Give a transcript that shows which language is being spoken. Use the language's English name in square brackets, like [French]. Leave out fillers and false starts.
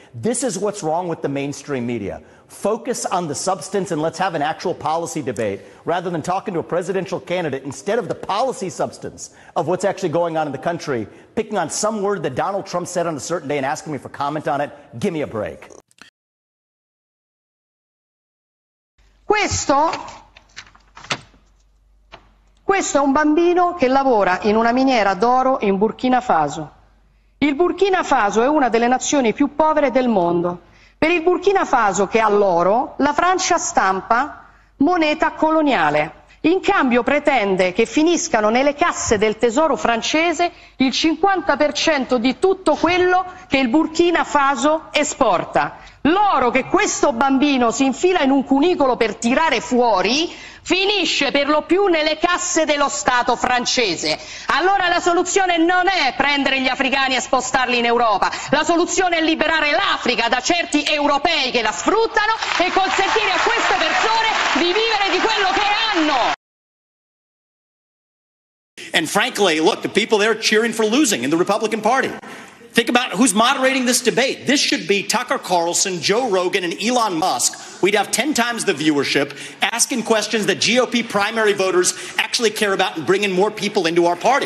[English] This is what's wrong with the mainstream media. Focus on the substance and let's have an actual policy debate rather than talking to a presidential candidate instead of the policy substance of what's actually going on in the country, picking on some word that Donald Trump said on a certain day and asking me for comment on it. Give me a break. [Italian] Questo è un bambino che lavora in una miniera d'oro in Burkina Faso. Il Burkina Faso è una delle nazioni più povere del mondo. Per il Burkina Faso, che ha l'oro, la Francia stampa moneta coloniale. In cambio pretende che finiscano nelle casse del tesoro francese il 50% di tutto quello che il Burkina Faso esporta. L'oro che questo bambino si infila in un cunicolo per tirare fuori finisce per lo più nelle casse dello Stato francese. Allora la soluzione non è prendere gli africani e spostarli in Europa. La soluzione è liberare l'Africa da certi europei che la sfruttano e consentire a queste persone di vivere di quello che hanno. [English] And frankly, look, the people there are cheering for losing in the Republican Party. Think about who's moderating this debate. This should be Tucker Carlson, Joe Rogan, and Elon Musk. We'd have 10 times the viewership asking questions that GOP primary voters actually care about and bringing more people into our party.